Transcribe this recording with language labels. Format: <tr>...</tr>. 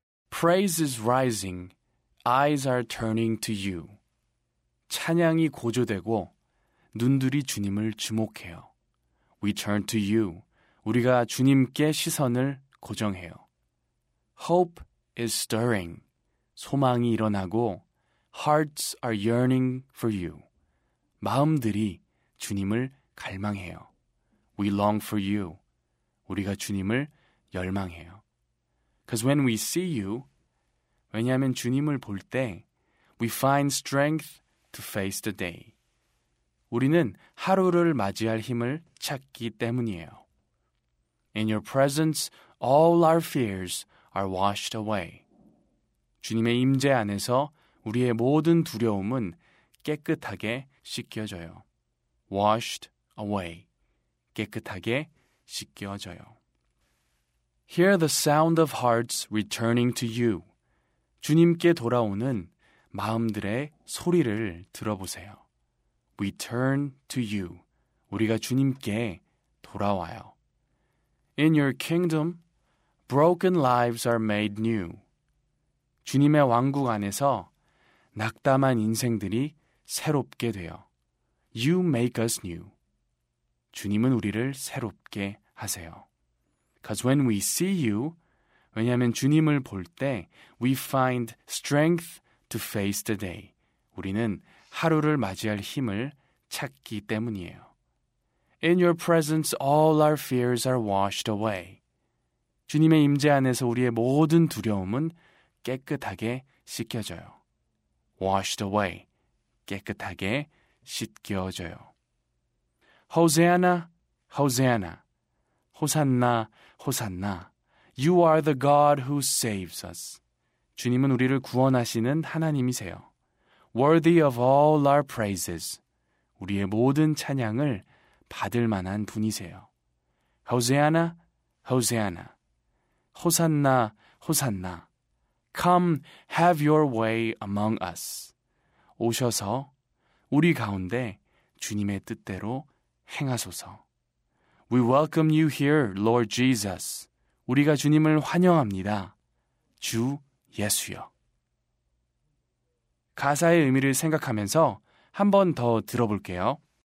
<en>'Praise is rising, eyes are turning to you.</en> <ko>찬양이 고조되고 눈들이 주님을 주목해요.</ko> <en>We turn to you,</en> <ko>우리가 주님께 시선을 고정해요.</ko> <en>Hope is stirring,</en> <ko>소망이 일어나고</ko> <en>Hearts are yearning for you,</en> <ko>마음들이 주님을 갈망해요.</ko> <en>We long for you,</en> <ko>우리가 주님을 열망해요.</ko> <en>'Cause when we see you,</en> <ko>왜냐하면 주님을 볼 때</ko> <en>we find strength to face the day.</en> <ko>우리는 하루를 맞이할 힘을 찾기 때문이에요.</ko> <en>In your presence, all our fears are washed away.</en> <ko>주님의 임재 안에서 우리의 모든 두려움은 깨끗하게 씻겨져요.</ko> <en>Washed away.</en> <ko>깨끗하게 씻겨져요.</ko> <en>Hear the sound of hearts returning to you.</en> <ko>주님께 돌아오는 마음들의 소리를 들어보세요.</ko> <en>We turn to you.</en> <ko>우리가 주님께 돌아와요.</ko> <en>In your kingdom, broken lives are made new.</en> <ko>주님의 왕국 안에서 낙담한 인생들이 새롭게 돼요.</ko> <en>You make us new.</en> <ko>주님은 우리를 새롭게 하세요.</ko> <en>'Cause when we see you,</en> <ko>왜냐하면 주님을 볼 때</ko> <en>we find strength to face the day.</en> <ko>우리는 하루를 맞이할 힘을 찾기 때문이에요.</ko> <en>In your presence, all our fears are washed away.</en> <ko>주님의 임재 안에서 우리의 모든 두려움은 깨끗하게 씻겨져요.</ko> <en>Washed away.</en> <ko>깨끗하게 씻겨져요.</ko> <en>Hosanna, Hosanna. Hosanna, Hosanna. You are the God who saves us.</en> <ko>주님은 우리를 구원하시는 하나님이세요.</ko> <en>Worthy of all our praises.</en> <ko>우리의 모든 찬양을 받을 만한 분이세요.</ko> <en>Hosanna, Hosanna. Hosanna, Hosanna. Come, have your way among us.</en> <ko>오셔서 우리 가운데 주님의 뜻대로 행하소서.</ko> <en>We welcome you here, Lord Jesus.</en> <ko>우리가 주님을 환영합니다. 주 예수여. 가사의 의미를 생각하면서 한 번 더 들어볼게요.</ko>